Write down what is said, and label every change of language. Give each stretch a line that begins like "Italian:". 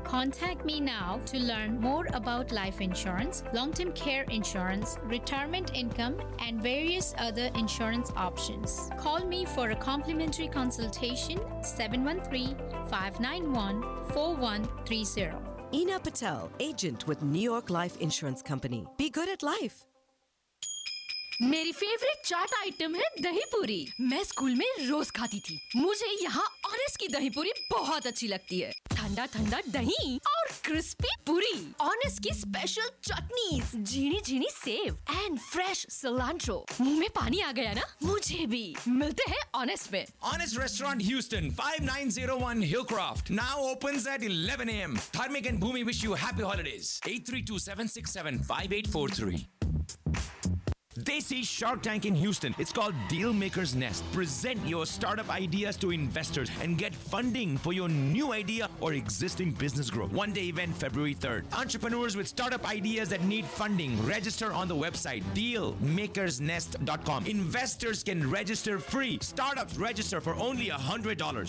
English: Contact me now to learn more about life insurance, long-term care insurance, retirement income, and various other insurance options. Call me for a complimentary consultation, 713-591-4130. Ina Patel, agent with New York Life Insurance Company. Be good at life.
Hindi: मेरी favourite चाट item है दही पूरी मैं school में रोज खाती थी मुझे यहाँ ऑनेस्ट की दही पूरी बहुत अच्छी लगती है ठंडा ठंडा दही और क्रिस्पी पूरी ऑनेस्ट की special chutney झीनी झीनी save
English: and fresh cilantro
Hindi: मुँह में पानी आ गया ना मुझे भी मिलते हैं ऑनेस्ट में
English: Honest restaurant Houston 5901 Hillcroft now opens at 11 AM Dharmik and Bhumi wish you happy holidays 832-767-5843 They see Shark Tank in Houston. It's called Dealmaker's Nest. Present your startup ideas to investors and get funding for your new idea or existing business growth. One-day event, February 3rd. Entrepreneurs with startup ideas that need funding, register on the website dealmakersnest.com. Investors can register free. Startups register for only $100.